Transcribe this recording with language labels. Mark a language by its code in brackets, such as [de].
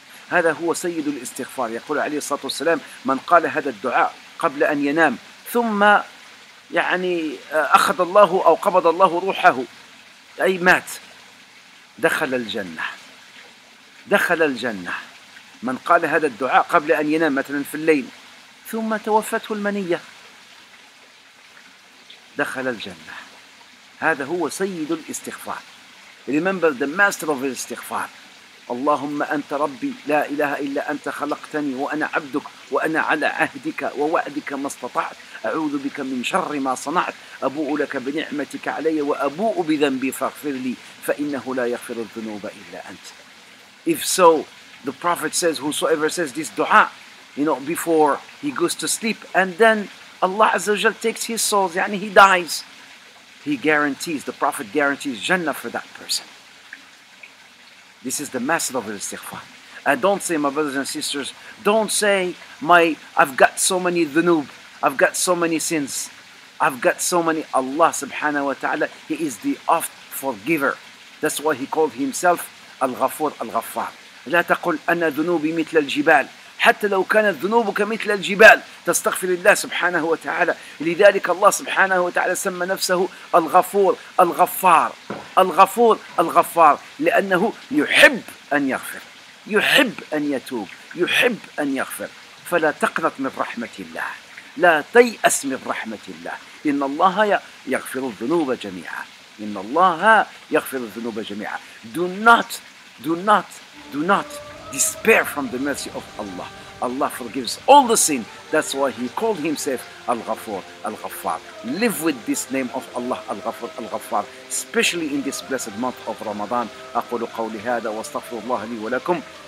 [ar] هذا هو سيد الاستغفار. يقول عليه الصلاة والسلام, من قال هذا الدعاء قبل أن ينام ثم يعني أخذ الله أو قبض الله روحه, أي مات, دخل الجنة. دخل الجنة من قال هذا الدعاء قبل أن ينام مثلا في الليل ثم توفته المنية, دخل الجنة. هذا هو سيد الاستغفار. [en] Remember the master of الاستغفار. [ar] اللهم أنت ربي لا إله إلا أنت, خلقتني وأنا عبدك, وأنا على عهدك ووعدك ما استطعت, أعوذ بك من شر ما صنعت, أبوء لك بنعمتك علي وأبوء بذنبي, فاغفر لي فإنه لا يغفر الذنوب إلا أنت. [en] If so, the Prophet says, whosoever says this دعاء, you know, before he goes to sleep, and then Allah Azza wa Jal takes his souls, يعني he dies, he guarantees, the Prophet guarantees Jannah for that person. This is the master of istighfar. And don't say, my brothers and sisters, don't say, I've got so many dhunub, I've got so many sins, I've got so many. Allah subhanahu wa ta'ala, he is the oft forgiver. That's why he called himself Al-Ghafur Al-Ghaffar. [ar] لا تقول أنا ذنوبي مثل الجبال, حتى لو كانت ذنوبك مثل الجبال, تستغفر الله سبحانه وتعالى. لذلك الله سبحانه وتعالى سمى نفسه الغفور الغفار, الغفور الغفار, لأنه يحب أن يغفر, يحب أن يتوب, يحب أن يغفر. فلا تقنط من رحمة الله, لا تيأس من رحمة الله, إن الله يغفر الذنوب جميعا, إن الله يغفر الذنوب جميعا. [en] Do not despair from the mercy of Allah. Allah forgives all the sin. That's why he called himself Al-Ghafur Al-Ghaffar. Live with this name of Allah, Al-Ghafur Al-Ghaffar, especially in this blessed month of Ramadan. [ar] أقول قولي هذا واستغفر الله لي ولكم.